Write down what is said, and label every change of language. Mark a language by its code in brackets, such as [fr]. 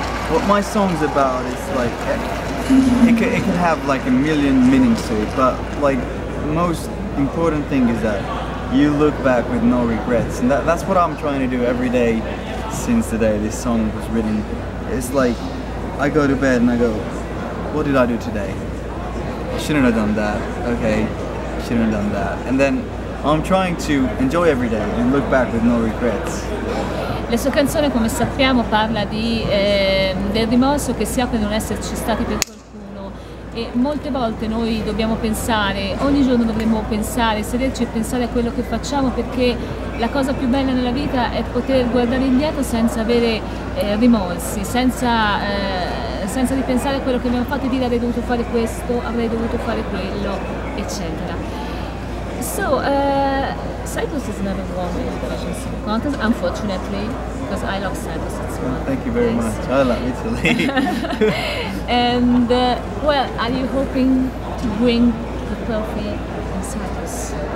[en] What my song's about is like it could have like a million meanings to it, but like the most important thing is that you look back with no regrets, and that's what I'm trying to do every day since the day this song was written. It's like I go to bed and I go, what did I do today? I shouldn't have done that. Okay, shouldn't have done that. And then I'm trying to enjoy every day and look back with no regrets. [it] La sua canzone, come sappiamo, parla di del rimorso che si ha per non esserci stati per qualcuno, e molte volte noi dobbiamo pensare, ogni giorno dovremmo pensare, sederci e pensare a quello che facciamo, perché la cosa più bella nella vita è poter guardare indietro senza avere rimorsi, senza ripensare a quello che abbiamo fatto e dire avrei dovuto fare questo, avrei dovuto fare quello, eccetera. [en] So, Cyprus is another one in the Eurovision Song Contest, unfortunately, because I love Cyprus as well. Thank you very much. I love Italy. And, well, are you hoping to win the trophy in Cyprus?